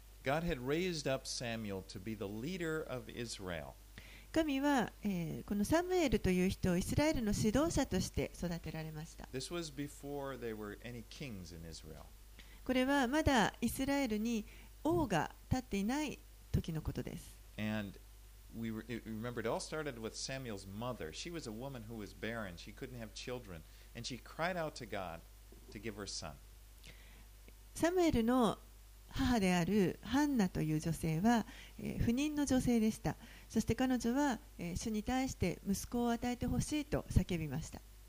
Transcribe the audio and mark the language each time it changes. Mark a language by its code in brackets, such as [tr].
[en] God had raised up Samuel to be the leader of Israel. [ja] 神は、このサムエルという人をイスラエルの指導者として育てられました。 [en] This was before there were any kings in Israel. [ja] これはまだイスラエルに王が立っていない時のことです。 [en] And we remember it all started with Samuel's mother. She was a woman who was barren. She couldn't have children. And she cried out to God to give her son. [ja] サムエルの母であるハンナという女性は、不妊の女性でした。そして彼女は、主に対して息子を与えてほしいと叫びました。